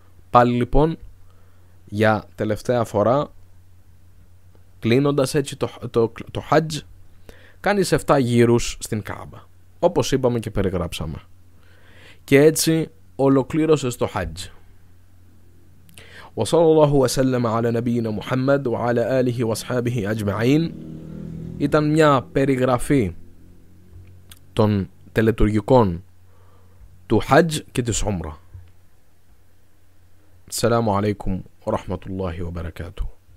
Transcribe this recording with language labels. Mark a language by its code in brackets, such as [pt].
[el] Πάλι λοιπόν, για τελευταία φορά, κλείνοντας έτσι το Χατζ, κάνεις 7 γύρους στην Κάμπα, όπως είπαμε και περιγράψαμε. Και έτσι ολοκλήρωσες το Χατζ. [ar] وصلى الله وسلم على نبينا محمد وعلى آله وصحبه أجمعين. [el] Ήταν μια περιγραφή των τελετουργικών του Χατζ και της Ομρα. Σαλάμου αλέικουμ ورحمة الله وبركاته.